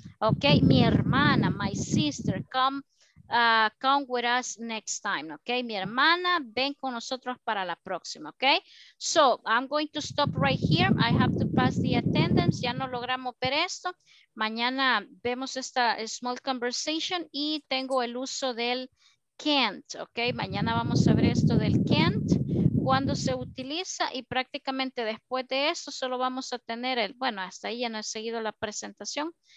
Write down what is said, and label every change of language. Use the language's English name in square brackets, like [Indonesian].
[English] Ok, [Spanish] mi hermana, [English] my sister, come with us next time. [Spanish] Ok, mi hermana, ven con nosotros para la próxima. [English] Ok, so I'm going to stop right here. I have to pass the attendance. [Spanish] Ya no logramos ver esto. Mañana vemos esta small conversation y tengo el uso del can't, ok, mañana vamos a ver esto del can't, cuando se utiliza y prácticamente después de esto solo vamos a tener el, bueno, hasta ahí ya no he seguido la presentación,